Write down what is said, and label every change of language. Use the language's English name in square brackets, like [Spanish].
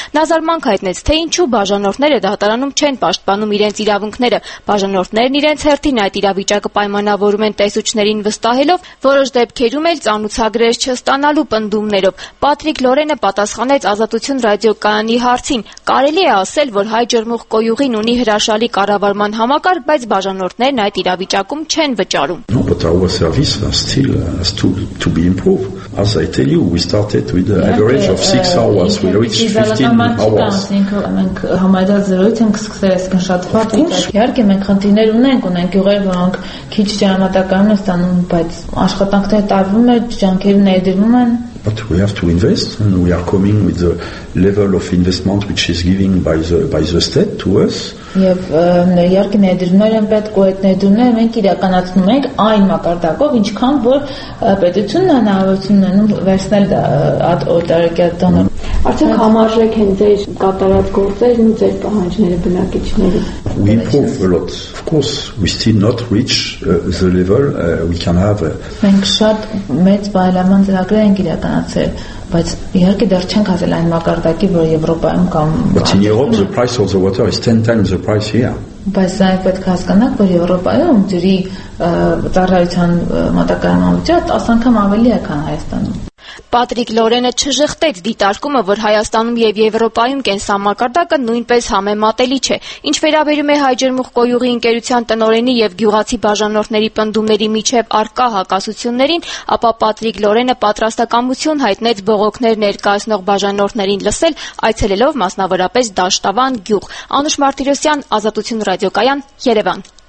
[Armenian] Նա զարմանք հայտնեց, թե ինչու բաժանորդները դատարանում չեն պաշտպանում իրենց իրավունքները։ Բաժանորդներն իրենց հերթին այդ իրավիճակը պայմանավորում են տեսուչներին վստահելով, որոշ դեպքերում էլ ծանուցագրեր չստանալու պնդումներով։ Պատրիկ Լորենը պատասխանեց Ազատություն ռադիոկայանի հարցին. «Կարելի է ասել, որ Հայ Ջերմուխ Կոյուղին ունի հրաշալի կառավարման համակարգ, բայց բաժանորդներն այդ իրավիճակում չեն վճարում։ [English] No, but our service was still has to be improved. As I tell you, we started with an average of 6 hours, we reached 15 hours. [Armenian] Մենք համարյա զրոյից ենք սկսել, այսինքն շատ վատ է։ Իհարկե մենք խնդիրներ ունենք գյուղեր, որոնք քիչ ժամատակարան են ստանում, բայց աշխատանքները տարվում է, ջանքերը ներդրվում են։ [English] But we have to invest, and we are coming with the level of investment which is given by the state to us. [Armenian] Եվ իհարկե ներդրումներ են պետք, ու այդ ներդրումները մենք իրականացնում ենք այն մակարդակով, ինչքան որ պետությունն հնարավորություն ունենում վերցնել օտարակյալ տոնը։ Արդյոք համարժեք են ձեր կատարած գործերն ու ձեր պահանջները բնակիչների։ [English] We improve a lot. Of course, we still not reach the level we can have. [Armenian] Մենք շատ մեծ բարելավման ծրագրեր ենք իրականացել, բայց իհարկե դեռ չենք հասել այն մակարդակի, որ Եվրոպայում կամ [English] But in Europe the price of the water is 10 times the price here. [Armenian] Բայց այն պետք հասկանաք, որ Եվրոպայում ջրի ծառայության մատակարարման վճարը 10 անգամ ավելի է, քան Հայաստանում։ Պատրիկ Լորենը չժխտեց դիտարկումը, որ Հայաստանում եւ Եվրոպայում կենսամակարդակը նույնպես համեմատելի չէ։ Ինչ վերաբերում է Հայջերմուխ Կոյուղի ընկերության տնօրենի եւ գյուղացի բաժանորդների պնդումների միջև արկա հակասություններին, ապա Պատրիկ Լորենը պատրաստակամություն հայտնեց բողոքներ ներկայացնող բաժանորդներին լսել, այցելելով մասնավորապես Դաշտավան գյուղ։ Անուշ Մարտիրոսյան, Ազատություն ռադիոկայան, Երևան։